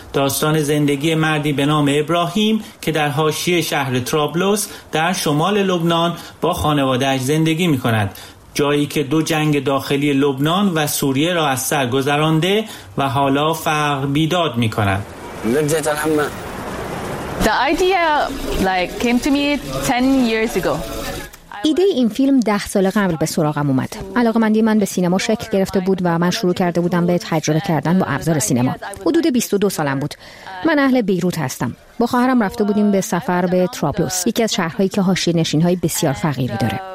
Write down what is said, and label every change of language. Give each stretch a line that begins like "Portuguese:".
Persian: داستان زندگی مردی به نام ابراهیم که در حاشیه شهر ترابلس در شمال لبنان با خانواده‌اش زندگی می‌کند، جایی که دو جنگ داخلی لبنان و سوریه را از سر گذرانده و حالا فقر بیداد می‌کند.
English: The idea like came to me 10 years ago.
Persian: ایده این فیلم 10 سال قبل به سراغم اومد. علاقه‌مندی من به سینما شکل گرفته بود و من شروع کرده بودم به تجربه کردن با ابزار سینما. حدود 22 سالم بود. من اهل بیروت هستم. با خواهرم رفته بودیم به سفر به ترابلس، یکی از شهرهایی که حاشیه‌نشین‌های بسیار فقیری داره.